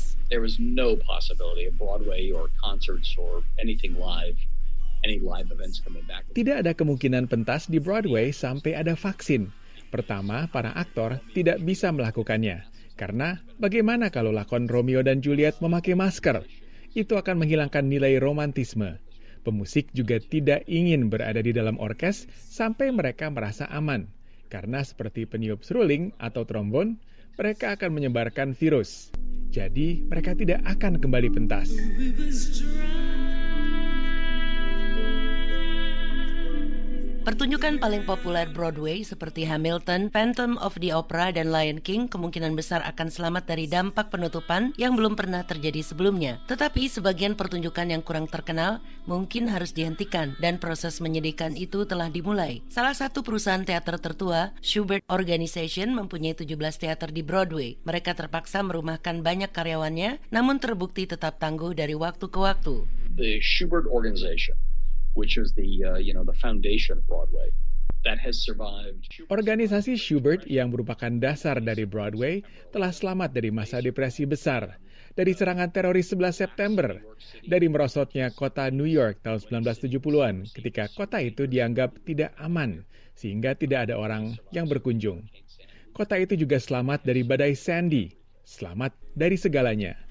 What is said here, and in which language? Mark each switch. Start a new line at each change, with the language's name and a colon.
English: There is no possibility of Broadway or concerts or anything live.
Indonesian: Tidak ada kemungkinan pentas di Broadway sampai ada vaksin. Pertama, para aktor tidak bisa melakukannya. Karena bagaimana kalau lakon Romeo dan Juliet memakai masker? Itu akan menghilangkan nilai romantisme. Pemusik juga tidak ingin berada di dalam orkes sampai mereka merasa aman. Karena seperti peniup seruling atau trombon, mereka akan menyebarkan virus. Jadi mereka tidak akan kembali pentas. Pertunjukan paling populer Broadway seperti Hamilton, Phantom of the Opera, dan Lion King kemungkinan besar akan selamat dari dampak penutupan yang belum pernah terjadi sebelumnya. Tetapi sebagian pertunjukan yang kurang terkenal mungkin harus dihentikan dan proses menyedihkan itu telah dimulai. Salah satu perusahaan teater tertua, Schubert Organization, mempunyai 17 teater di Broadway. Mereka terpaksa merumahkan banyak karyawannya, namun terbukti tetap tangguh dari waktu ke waktu.
English: The Schubert Organization, which is the foundation of Broadway, that has survived.
Indonesian: Organisasi Schubert yang merupakan dasar dari Broadway telah selamat dari masa depresi besar, dari serangan teroris 11 September, dari merosotnya kota New York tahun 1970-an ketika kota itu dianggap tidak aman sehingga tidak ada orang yang berkunjung. Kota itu juga selamat dari badai Sandy, selamat dari segalanya.